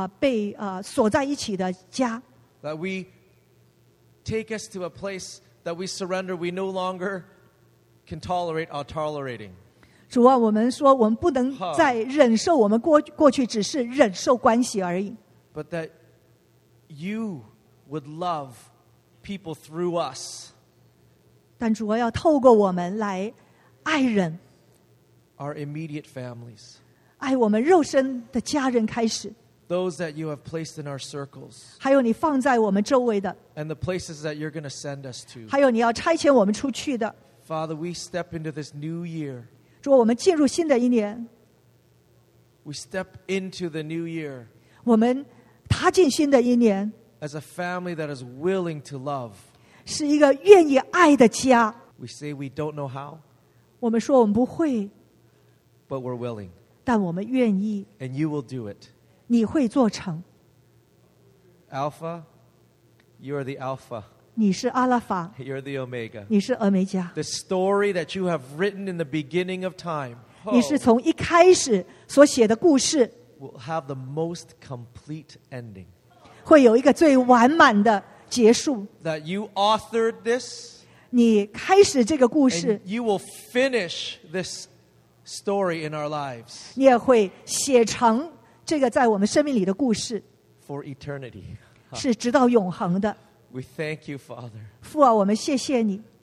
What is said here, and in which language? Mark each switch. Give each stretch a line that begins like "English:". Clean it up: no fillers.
Chinese: 那从我们的心中挪去一个想法，这个就是我们被锁在一起的家。
English: That we take us to a place that we surrender, we no longer can tolerate our tolerating.
Chinese: 主啊，我们说我们不能再忍受我们过去只是忍受关系而已。
English: But that you would love people through us.
Chinese: 但主啊，要透过我们来爱人。
English: Our immediate families.
Chinese: 爱我们肉身的家人开始。
English: Those that you have placed in our circles.
Chinese: 还有你放在我们周围的。
English: And the places that you're going to send us to.
Chinese: 还有你要差遣我们出去的。
English: Father, we step into this new year.
Chinese: 主，我们进入新的一年。
English: We step into the new year.
Chinese: 我们踏进新的一年。
English: As a family that is willing to love.
Chinese: 是一个愿意爱的家。
English: We say we don't know how.
Chinese: 我们说我们不会。
English: But we're willing.
Chinese: 但我们愿意。
English: And you will do it.
Chinese: 你会做成。
English: Alpha, you are the Alpha.
Chinese: 你是阿拉法。
English: You're the Omega.
Chinese: 你是俄梅加。
English: The story that you have written in the beginning of time.
Chinese: 你是从一开始所写的故事。
English: Will have the most complete ending.
Chinese: 会有一个最完满的结束。
English: That you authored this.
Chinese: 你开始这个故事。
English: And you will finish this story in our lives.
Chinese: 你也会写成。
English: For eternity. Huh. We thank you, Father.
Chinese: 父啊，我们谢谢你。